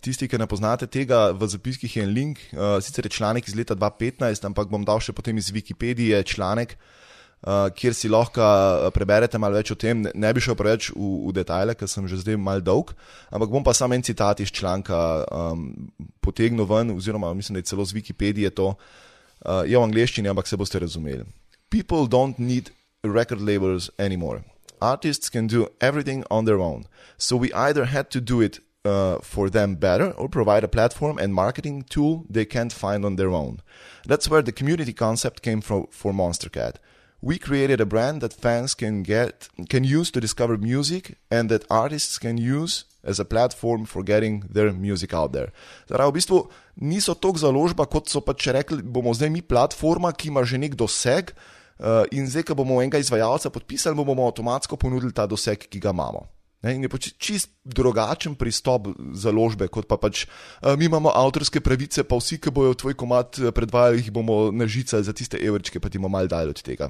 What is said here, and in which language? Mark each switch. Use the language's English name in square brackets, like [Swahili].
[Slovenian] Tisti, ki ne poznate tega, v zapiskih je en link, sicer je članek iz leta 2015, ampak bom dal še potem iz Wikipedije članek, kjer si lahko preberete malo več o tem, ne bi šel preveč v detajle, ker sem že zdaj malo dolg, ampak bom pa sam en citat iz članka potegnil ven, oziroma mislim, da je celo z Wikipedije to, je v angleščini, ampak se boste razumeli. [English] People don't need record labels anymore. Artists can do everything on their own, so we either had to do it for them better or provide a platform and marketing tool they can't find on their own. That's where the community concept came from for Monstercat. We created a brand that fans can use to discover music and that artists can use as a platform for getting their music out there. [Slovenian] Zdaj, v bistvu niso tok založba, kot so pa če rekli, bomo zdaj mi platforma, ki ima že nek doseg, in zdaj, ko bomo enega izvajalca podpisali, bomo avtomatsko ponudili ta doseg, ki ga imamo. Ne, in je pač čist drugačen pristop založbe, kot pa pač mi imamo avtorske pravice, pa vsi, ki bojo tvoj komad predvajali, jih bomo nažicali za tiste evričke, pa ti bomo malo dali od tega.